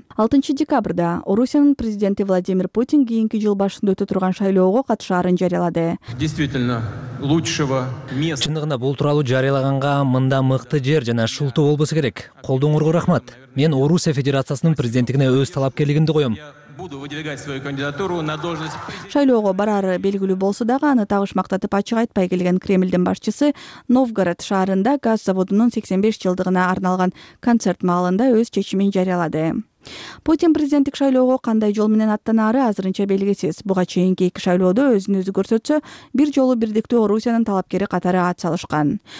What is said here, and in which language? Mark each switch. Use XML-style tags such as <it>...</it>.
<ky>6 декабрда Орусиянын президенти Владимир Путин кийинки жыл башында өтө турган шайлоого катышаарын жарыялады.</ky> <ru>Действительно, лучшего места.</ru> <ky>Чындыгында бул тууралуу жарыялаганга мында мыкты жер жана шылтоо болбосо керек. Колдооңорго рахмат. Мен Орусия Федерациясынын президенттигине өз талапкерлигимди коем.</ky> <ru>Буду выдвигать свою кандидатуру на должность.</ru> <ky>Шайлоого барары белгилүү болсо дагы аны табыш мактатып ачык айтпай келген Кремлдин башчысы Новгород шаарында газ заводунун 85 жылдыгына арналган концерт маалында өз чечимин жарыялады. Путин президенттик шайлоого кандай жол менен аттанары азырынча белгисиз. Буга чейинки эки шайлоодо өзүн өзү көрсөтсө, бир жолу бирдиктүү Орусиянын талапкери катары ат салышкан.</ky>